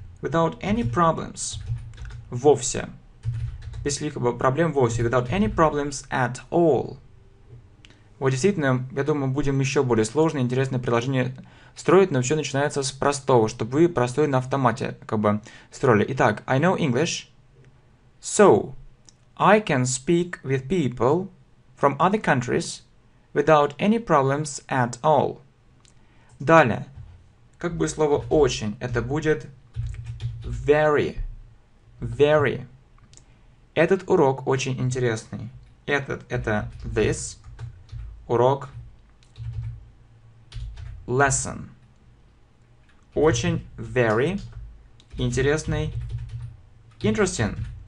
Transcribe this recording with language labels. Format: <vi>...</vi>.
<en>Without any problems.</en> <ru>Вовсе. Без каких-либо проблем вовсе.</ru> <en>Without any problems at all.</en> <ru>Вот действительно, я думаю, будем еще более сложное, интересное предложение строить, но все начинается с простого, чтобы вы простое на автомате как бы строили. Итак,</ru> <en>I know English. So, I can speak with people from other countries without any problems at all.</en> <ru>Далее. Как бы слово «очень» — это будет very.</ru> <en>Very.</en> <ru>Этот урок очень интересный. Этот — это this. Урок.</ru> <en>Lesson. Очень very. Интересный. Interesting.</en>